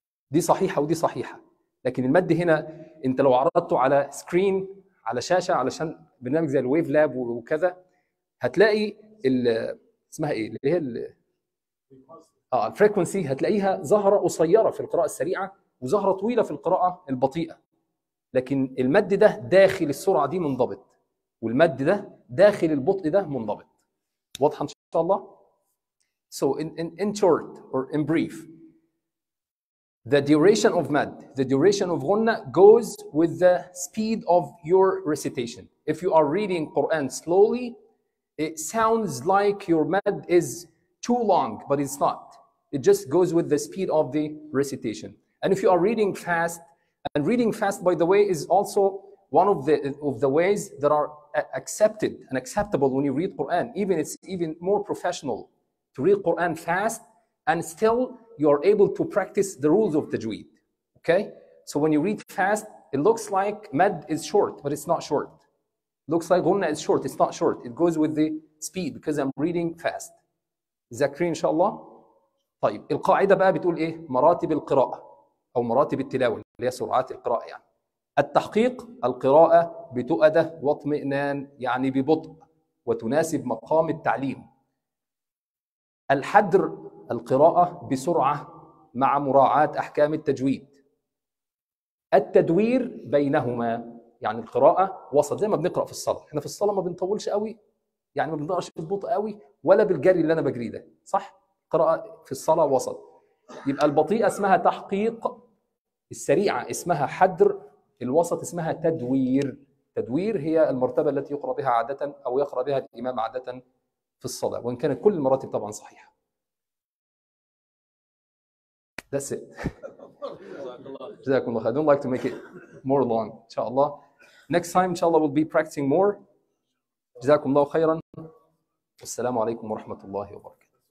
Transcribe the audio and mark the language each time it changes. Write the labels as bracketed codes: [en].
[ar] دي صحيحة ودي صحيحة، لكن المد هنا انت لو عرضته على سكرين على شاشة علشان برنامج زي الويف لاب وكذا هتلاقي اسمها ايه اللي هي الفريكونسي، هتلاقيها زهرة قصيرة في القراءة السريعة وزهرة طويلة في القراءة البطيئة، لكن المد ده داخل السرعة دي منضبط والمد ده داخل البطء ده منضبط. واضحة ان شاء الله؟ [en] So in short or in brief, the duration of mad, the duration of ghunna goes with the speed of your recitation. If you are reading Quran slowly, it sounds like your mad is too long, but it's not. It just goes with the speed of the recitation. And if you are reading fast, and reading fast, by the way, is also one of the ways that are accepted and acceptable when you read Quran. Even it's even more professional to read Quran fast and still you are able to practice the rules of Tajweed. Okay? So when you read fast, it looks like mad is short, but it's not short. Looks like ghunna is short, it's not short. It goes with the speed because I'm reading fast. Zakri, inshallah. [ar] طيب القاعدة بقى بتقول ايه؟ مراتب القراءة أو مراتب التلاوة اللي هي سرعات القراءة يعني. التحقيق القراءة بتؤدة واطمئنان يعني ببطء وتناسب مقام التعليم. الحدر القراءة بسرعة مع مراعاة أحكام التجويد. التدوير بينهما يعني القراءة وسط زي ما بنقرأ في الصلاة، احنا في الصلاة ما بنطولش قوي يعني ما بنقرأش ببطء قوي ولا بالجري اللي أنا بجري ده، صح؟ قراءة في الصلاة وسط. يبقى البطيء اسمها تحقيق، السريعة اسمها حدر، الوسط اسمها تدوير. تدوير هي المرتبة التي يقرأ بها عادة أو يقرأ بها الإمام عادة في الصلاة، وإن كانت كل المراتب طبعا صحيحة. [en] That's it. [ar] جزاكم الله خير. [en] I don't like to make it more long. [ar] إن شاء الله. [en] Next time [ar] إن شاء الله [en] we'll be practicing more. [ar] جزاكم الله خيرا. والسلام عليكم ورحمة الله وبركاته.